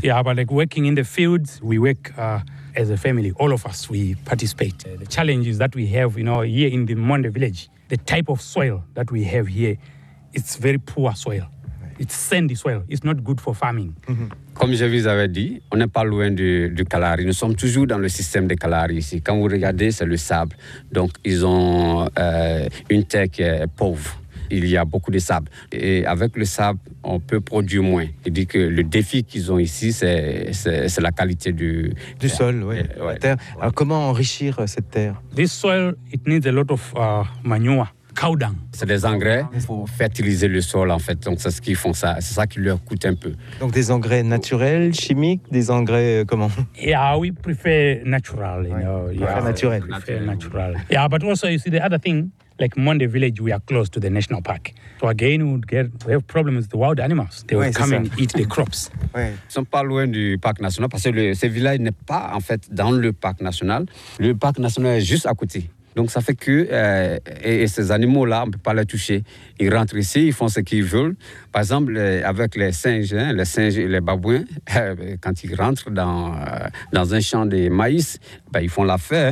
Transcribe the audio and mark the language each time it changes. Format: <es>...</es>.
<en>Yeah, but like working in the fields, we work as a family. All of us, we participate. The challenges that we have, you know, here in the Monde village, the type of soil that we have here, it's very poor soil. It's sandy soil. It's not good for farming. Mm-hmm.</en> <fr>Comme je vous avais dit, on n'est pas loin du Kalahari. Nous sommes toujours dans le système de Kalahari ici. Quand vous regardez, c'est le sable. Donc, ils ont une terre qui est pauvre. Il y a beaucoup de sable. Et avec le sable, on peut produire moins. Il dit que le défi qu'ils ont ici, c'est la qualité du sol, ouais, la terre. Ouais. Alors, comment enrichir cette terre?</fr> <en>This soil, it needs a lot of manure.</en> <fr>C'est des engrais pour fertiliser le sol, en fait. Donc, c'est ce qu'ils font, ça. C'est ça qui leur coûte un peu. Donc, des engrais naturels, chimiques, des engrais comment?</fr> <en>Yeah, we prefer natural. You know.</en> <fr>Ouais, yeah, naturel.</fr> <en>We prefer natural. Yeah, but also, you see, the other thing, like Monde village, we are close to the national park. So again, we have problems with the wild animals. They will come and eat the crops.</en> <fr>Ouais. Ils ne sont pas loin du parc national parce que ce village n'est pas, en fait, dans le parc national. Le parc national est juste à côté. Donc, ça fait que et ces animaux-là, on ne peut pas les toucher. Ils rentrent ici, ils font ce qu'ils veulent. Par exemple, avec les singes, hein, les singes et les babouins, quand ils rentrent dans un champ de maïs, ben, ils font l'affaire.</fr>